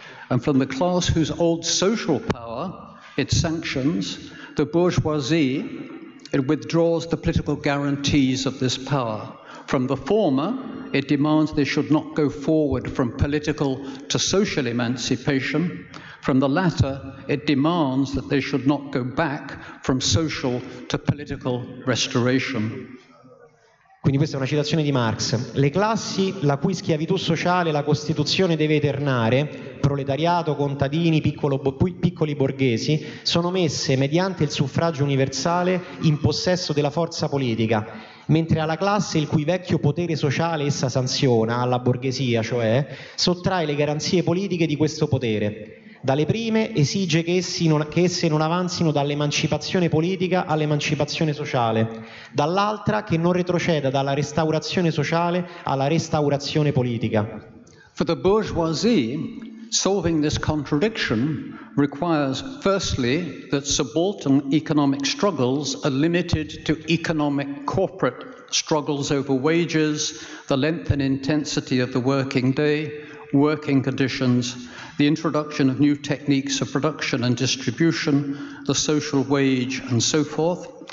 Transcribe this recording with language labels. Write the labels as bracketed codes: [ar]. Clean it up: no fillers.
[en] And from the class whose old social power it sanctions, the bourgeoisie, it withdraws the political guarantees of this power. From the former, it demands they should not go forward from political to social emancipation. From the latter, it demands that they should not go back from social to political restoration. [it] Quindi questa è una citazione di Marx. Le classi la cui schiavitù sociale la Costituzione deve eternare, proletariato, contadini, piccoli borghesi, sono messe, mediante il suffragio universale, in possesso della forza politica, mentre alla classe il cui vecchio potere sociale essa sanziona, alla borghesia cioè, sottrae le garanzie politiche di questo potere. Dalle prime esige che esse non avanzino dall'emancipazione politica all'emancipazione sociale, dall'altra che non retroceda dalla restaurazione sociale alla restaurazione politica. [en] For the bourgeoisie, solving this contradiction requires firstly that subaltern economic struggles are limited to economic corporate struggles over wages, the length and intensity of the working day, working conditions, the introduction of new techniques of production and distribution, the social wage, and so forth.